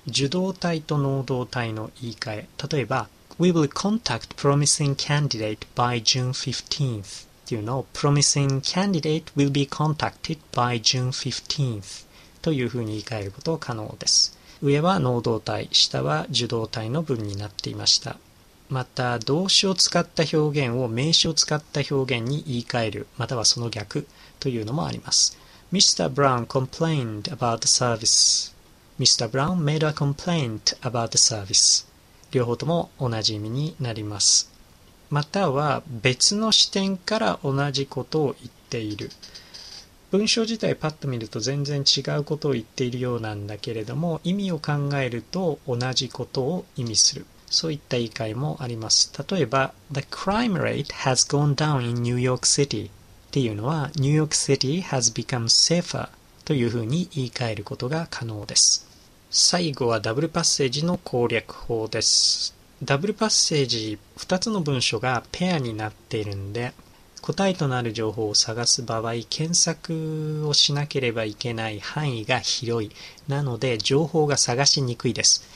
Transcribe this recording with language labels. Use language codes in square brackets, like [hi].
[ja] 受動態と能動態の言い換え、例えば [en] We will contact promising candidate by June 15th [ja] っていうのを [en] Promising candidate will be contacted by June 15th [ja] というふうに言い換えることが可能です。上は能動態、下は受動態の文になっていました。また動詞を使った表現を名詞を使った表現に言い換える、またはその逆というのもあります。 [en] Mr. Brown complained about the service. Mr. Brown made a complaint about the service. [ja] 両方とも同じ意味になります。または別の視点から同じことを言っている。文章自体パッと見ると全然違うことを言っているようなんだけれども、意味を考えると同じことを意味する。そういった言い換えもあります。例えば、 [en] The crime rate has gone down in New York City. [ja] っていうのは [en] New York City has become safer [ja] というふうに言い換えることが可能です。最後はダブルパッセージの攻略法です。ダブルパッセージ、2つの文章がペアになっているんで、答えとなる情報を探す場合検索をしなければいけない範囲が広い、なので情報が探しにくいです。